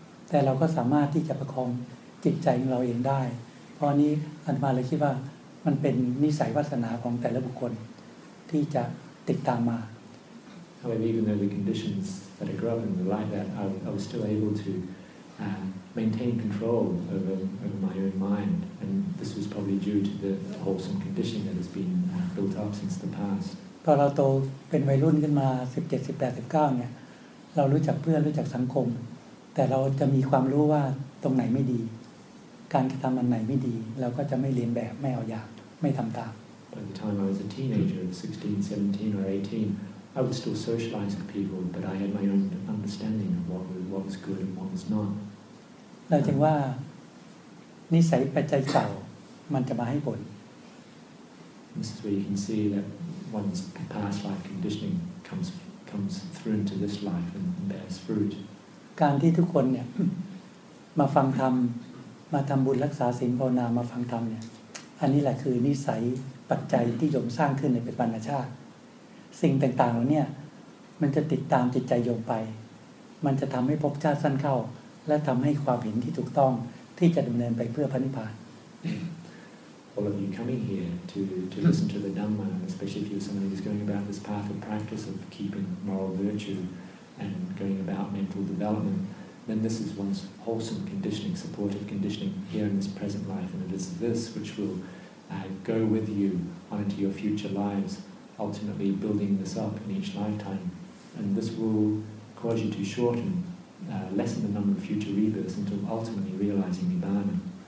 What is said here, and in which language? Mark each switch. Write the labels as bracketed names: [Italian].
[Thai] แต่เราก็สามารถที่จะประคองจิตใจของเราเองได้เพราะนี้อันมาเลยคิดว่ามันเป็นนิสัยวาสนาของแต่ละบุคคลที่จะติดตามมา [English] However, even though the conditions that I grew up in were like that, I was still able to maintain control over my own mind. And this was probably due to the wholesome condition that has been built up since the past. [Thai] พอเราโตเป็นวัยรุ่นขึ้นมา17 18 19เนี่ยเรารู้จักเพื่อนรู้จักสังคมแต่เราจะมีความรู้ว่าตรงไหนไม่ดีการกระทำอันไหนไม่ดีเราก็จะไม่เรียนแบบไม่เอาอย่างไม่ทำตาม [English] By the time I was a teenager 16 17 or 18 I would still socialize with people but I had my own understanding of what was good and what was not [Thai] เราจึงว่านิสัยปัจจัยเก่ามันจะมาให้ผล [English] This is where you can see thatOne's past life conditioning comes through into this life and bears fruit. [Thai] การที่ทุกคนเนี่ยมาฟังธรรมมาทำบุญรักษาศีลภาวนามาฟังธรรมเนี่ยอันนี้แหละคือนิสัยปัจจัยที่โยมสร้างขึ้นในเป็นบรรณชาติสิ่งต่างๆเหล่านี้มันจะติดตามจิตใจโยมไปมันจะทำให้ภพชาติสั้นเข้าและทำให้ความเห็นที่ถูกต้องที่จะดำเนินไปเพื่อพระนิพพาน [English] All of you coming here to listen to the Dhamma, especially if you're somebody who's going about this path of practice of keeping moral virtue and going about mental development, then this is one's wholesome conditioning, supportive conditioning here in this present life, and it is this which will go with you on into your future lives, ultimately building this up in each lifetime, and this will cause you to shorten, lessen the number of future rebirths until ultimately realizing Nibbana.